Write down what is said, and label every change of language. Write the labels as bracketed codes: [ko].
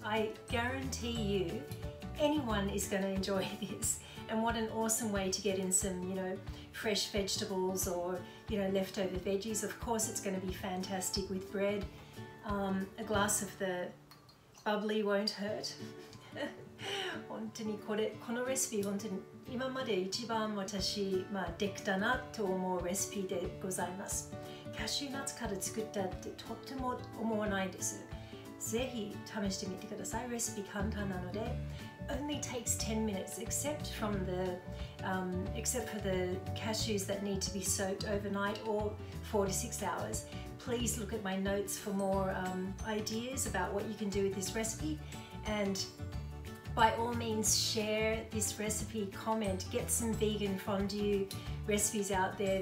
[en] I guarantee you, anyone is going to enjoy this. And what an awesome way to get in some, you know, fresh vegetables or, you know, leftover veggies. Of course, it's going to be fantastic with bread. A glass of the bubbly won't hurt. [ja] 本当にこれ、このレシピ本当に今まで一番私、まあ、できたなと思うレシピでございます。カシューナッツから作ったってとっても思わないです。ぜひ試してみてください。レシピ簡単なので。 [en] Only takes 10 minutes except from the,、except for the cashews that need to be soaked overnight or 4 to 6 hours. Please look at my notes for more、ideas about what you can do with this recipe and by all means, share this recipe, comment, get some vegan fondue recipes out there.